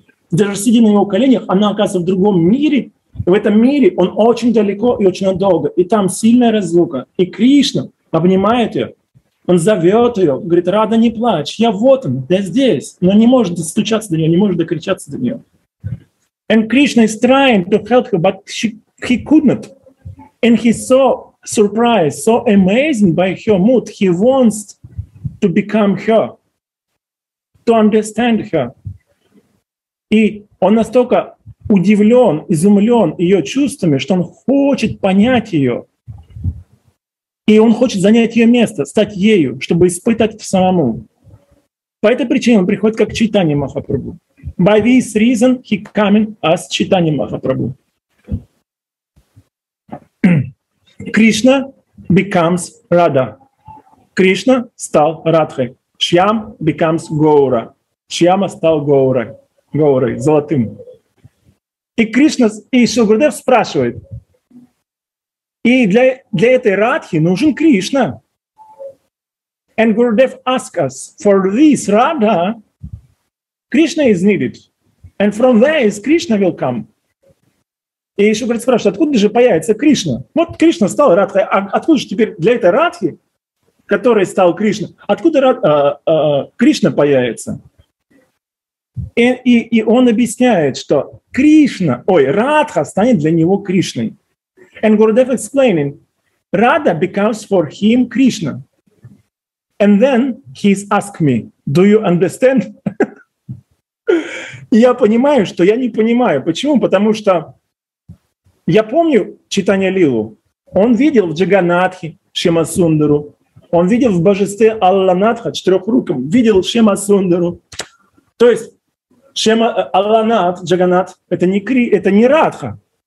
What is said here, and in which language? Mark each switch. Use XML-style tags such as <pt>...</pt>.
<ru>Даже сидя на его коленях, она оказывается в другом мире. В этом мире он очень далеко и очень надолго. И там сильная разлука. И Кришна обнимает ее. Он зовет ее, говорит: «Рада, не плачь, я вот он, я здесь». Но не может достучаться до нее, не может докричаться до нее.</ru> <en>And Krishna is trying to help her, but he could not. And he's so surprised, so amazing by her mood. He wants to become her, to understand her.</en> <ru>И он настолько удивлен, изумлен ее чувствами, что он хочет понять ее. И он хочет занять ее место, стать ею, чтобы испытать самому. По этой причине он приходит как Чайтанья Махапрабху.</ru> <en>By this reason he coming as Чайтанья Махапрабху. Кришна becomes Radha.</en> <ru>Кришна стал Радхой.</ru> <en>Шьям becomes Гоура.</en> <ru>Шьяма стал Гоурой. Гоурой, золотым. И Кришна, и Шрила Гурудев спрашивает. И для этой Радхи нужен Кришна.</ru> <en>And Gurudev asks us, for this Radha, Krishna is needed. And from there is Krishna will come.</en> <ru>И еще говорит, спрашивает, откуда же появится Кришна? Вот Кришна стал Радхой. А откуда же теперь для этой Радхи, которой стал Кришна, откуда Кришна появится? И он объясняет, что Кришна, ой, Радха станет для него Кришной.</ru> <en>And Gurudev explaining, Radha becomes for him Krishna. And then he's asked me, do you understand?</en> <ru>Я понимаю, что я не понимаю. Почему? Потому что я помню читание Лилу. Он видел в Джаганатхе Шимасундару. Он видел в божестве Алланатха четырехруком. Видел Шимасундару. То есть Шима, Алланат, Джаганат — это не Радха.</ru>